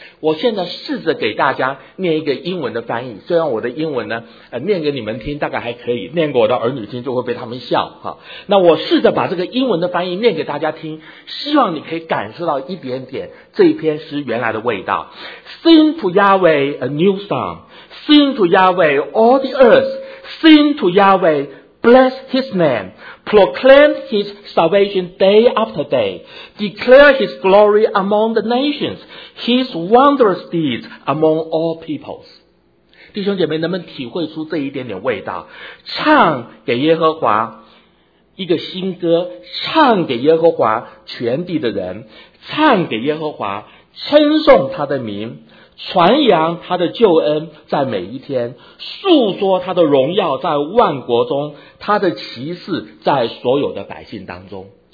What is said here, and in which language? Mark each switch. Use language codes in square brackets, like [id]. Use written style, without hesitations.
[zh] 我现在试着给大家念一个英文的翻译，虽然我的英文呢，念给你们听大概还可以，念给我的儿女听就会被他们笑哈。那我试着把这个英文的翻译念给大家听，希望你可以感受到一点点这一篇诗原来的味道。 [en] Sing to Yahweh a new song, Sing to Yahweh all the earth, Sing to Yahweh, bless his name, Proclaim his salvation day after day, Declare his glory among the nations, His wondrous deeds among all peoples。 [zh] 弟兄姐妹，能不能体会出这一点点味道？唱给耶和华一个新歌，唱给耶和华全地的人，唱给耶和华，称颂他的名，传扬他的救恩在每一天，述说他的荣耀在万国中，他的奇事在所有的百姓当中。